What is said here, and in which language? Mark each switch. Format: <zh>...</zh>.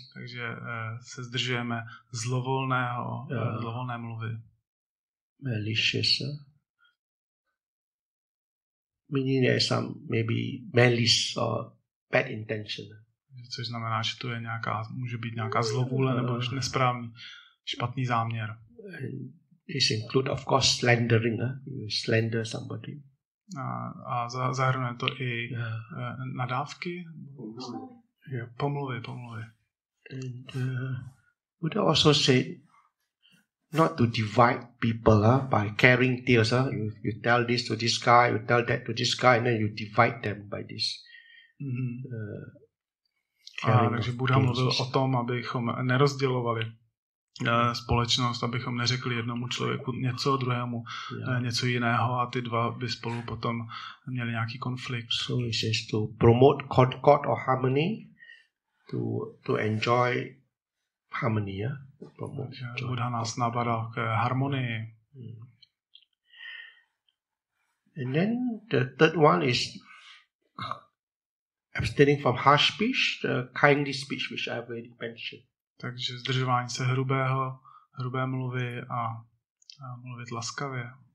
<cs>Takže se zdržujeme zlovolné mluvy.</cs> <en>Malicious. Meaning there is some maybe malice or bad intention.</en> <cs>Což znamená, že to je nějaká, může být nějaká zlovůle nebo nesprávný, špatný záměr.</cs> <en>This include of course slandering, you slander somebody.</en> <cs>A zahrnuje to i nadávky, pomluvy.</cs> <en>And Buddha also said not to divide people by carrying tales. You tell this to this guy, you tell that to this guy, and then you divide them by this.</en> <cs>Takže Buddha mluvil o tom, abychom nerozdělovali společnost, abychom neřekli jednomu člověku něco, druhému něco jiného, a ty dva by spolu potom měli nějaký konflikt.</cs> <en>So he says to promote concord or harmony, to enjoy harmony.</en> <cs>Že Buddha nás nabadal k harmonii.</cs> <en>And then the third one is abstaining from harsh speech, the kindly speech which I have already mentioned.</en> <cs>Takže zdržování se hrubé mluvy a mluvit laskavě.</cs>